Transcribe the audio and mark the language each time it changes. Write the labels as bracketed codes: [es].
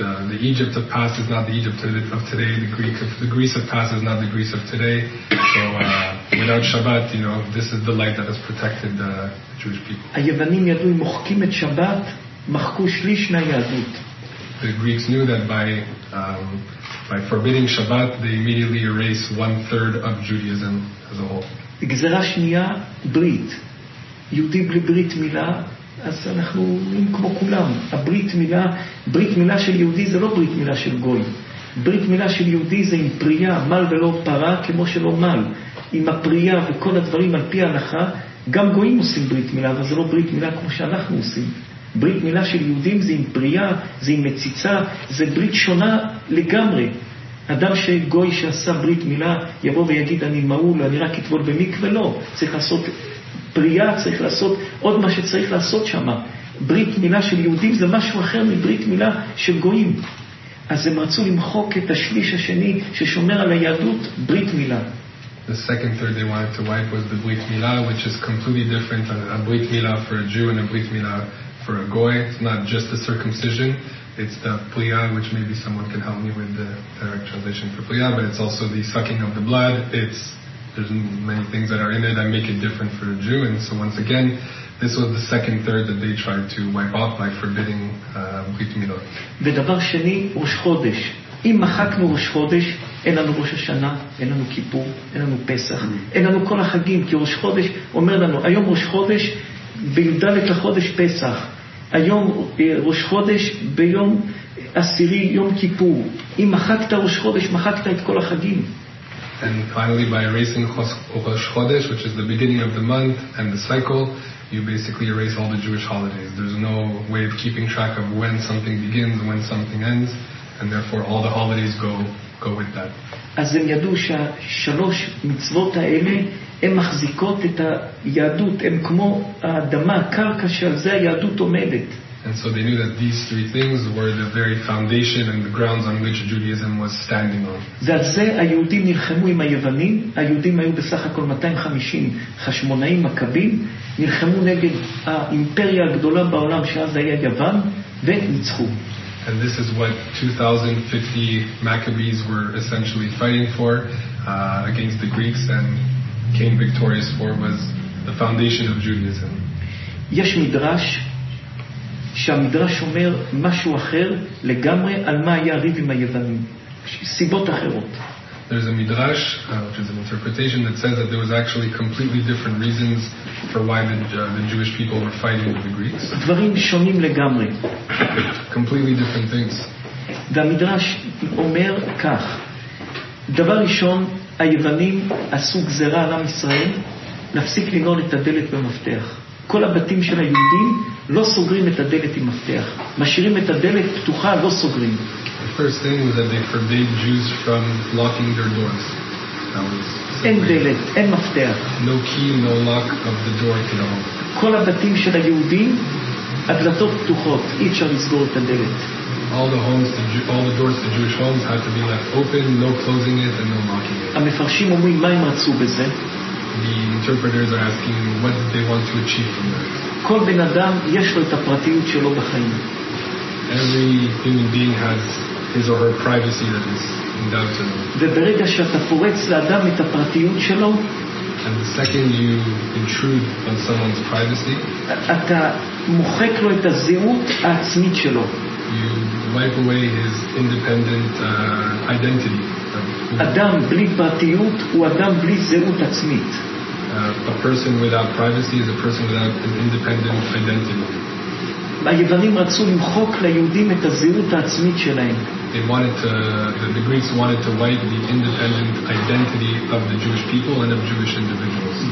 [en] The Egypt of past is not the Egypt of today. The Greece of past is not the Greece of today. So without Shabbat, this is the light that has protected the Jewish people. [he] היוונים ידעו, אם מוחקים את שבת, מחקו שליש מהיהדות. [en] The Greeks knew that by forbidding Shabbat, they immediately erase one third of Judaism as a whole. [he] גזרה שנייה, ברית. יהודי בלי ברית מילה, אז אנחנו עם כמו כולם. הברית מילה, ברית מילה של יהודי זה לא ברית מילה של גוי. ברית מילה של יהודי זה עם פריה, מל ולא פרה, כמו שלא מל. עם הפריה וכל הדברים על פי ההלכה, גם גויים עושים ברית מילה, אבל זה לא ברית מילה כמו שאנחנו עושים. ברית מילה של יהודים זה עם פריה, זה עם מציצה, זה ברית שונה לגמרי. אדם שגוי שעשה ברית מילה יבוא ויגיד אני מעול, אני רק אתבול במקווה, לא. צריך לעשות פריה, צריך לעשות עוד מה שצריך לעשות שם. ברית מילה של יהודים זה משהו אחר מברית מילה של גויים. אז הם רצו למחוק את השליש השני ששומר על היהדות, ברית מילה. [en] The second third they wanted to wipe was the ברית מילה, which is completely different than a ברית מילה for a Jew and a ברית מילה for a goy. It's not just the circumcision, it's the priya, which maybe someone can help me with the direct translation for priya, but it's also the sucking of the blood. There's many things that are in there that make it different for a Jew. And so once again, this was the second third that they tried to wipe off by forbidding brit milah. [he] ודבר שני, ראש חודש. אם מחקנו ראש חודש, אין לנו ראש השנה, אין לנו כיפור, אין לנו פסח, אין לנו כל החגים, כי ראש חודש אומר לנו, היום ראש חודש בידלת לחודש פסח, היום ראש חודש ביום עשירי יום כיפור. אם מחקת ראש חודש, מחקת את כל החגים. [en] And finally, by erasing Rosh Chodesh, which is the beginning of the month and the cycle, you basically erase all the Jewish holidays. There's no way of keeping track of when something begins, when something ends, and therefore all the holidays go with that. [he] אז הם ידעו שהשלוש מצוות האלה הן מחזיקות את היהדות, הן כמו האדמה, הקרקע שעל זה היהדות עומדת. [en] And so they knew that these three things were the very foundation and the grounds on which Judaism was standing on. [he] ועל זה היהודים נלחמו עם היוונים, היהודים היו בסך הכל 250 חשמונאים מכבים, נלחמו נגד האימפריה הגדולה בעולם שאז היה יוון, וניצחו. [en] And this is what 2050 Maccabees were essentially fighting for against the Greeks and came victorious for was the foundation of Judaism. [he] יש מדרש שהמדרש אומר משהו אחר לגמרי על מה היה ריב עם היוונים. סיבות אחרות. [en] there's a midrash, which is an interpretation that says that there was actually completely different reasons for why the Jewish people were fighting with the Greeks. [he] דברים שונים לגמרי. [en] Completely different things. [he] והמדרש אומר כך. דבר ראשון, היוונים עשו גזרה על עם ישראל להפסיק לנעול את הדלת במפתח. כל הבתים של היהודים לא סוגרים את הדלת עם מפתח. משאירים את הדלת פתוחה, לא סוגרים. [en] The first thing was that they forbade Jews from locking their doors. [he] אין דלת, אין מפתח. [en] No key, no lock of the door at all. [he] כל הבתים של היהודים, הדלתות פתוחות, אי אפשר לסגור את הדלת. [en] All the homes, all the doors to Jewish homes had to be left open, no closing it and no locking it. [he] המפרשים אומרים מה הם רצו בזה? [en] The interpreters are asking what did they want to achieve from that. [he] כל בן אדם יש לו את הפרטיות שלו בחיים. [en] Every human being has his or her privacy that is undoubted. [he] וברגע שאתה פורץ לאדם את הפרטיות שלו, [en] and the second you intrude on someone's privacy, [he] אתה מוחק לו את הזהות העצמית שלו. [en] You wipe away his independent identity. [he] אדם בלי פרטיות הוא אדם בלי זהות עצמית. [en] A person without privacy is a person without an independent identity. [he] היוונים רצו למחוק ליהודים את הזהות העצמית שלהם. [en] The Greeks wanted to wipe the independent identity of the Jewish people and of Jewish individuals.